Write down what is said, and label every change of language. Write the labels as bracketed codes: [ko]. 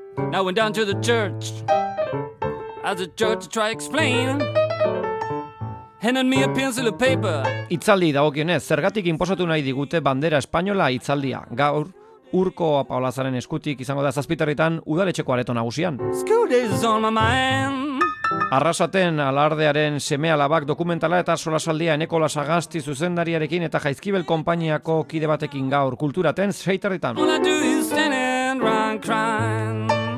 [en] Now went down to the church, as the church try explain, handed me a pencil of paper. [eu] Itzaldi dagokionez, zergatik inposatu nahi digute bandera espainola itzaldia. Gaur, Urko Apaolazaren eskutik izango da zazpiterritan udaletxeko areto nagusian. [en] School is on my mind. [eu] Arrasaten alardearen seme alabak dokumentala eta solasaldia Eneko Lasagasti zuzendariarekin eta Jaizkibel konpainiako kide batekin gaur kulturaten zeiterritan. [en] All I do is stand and run crying.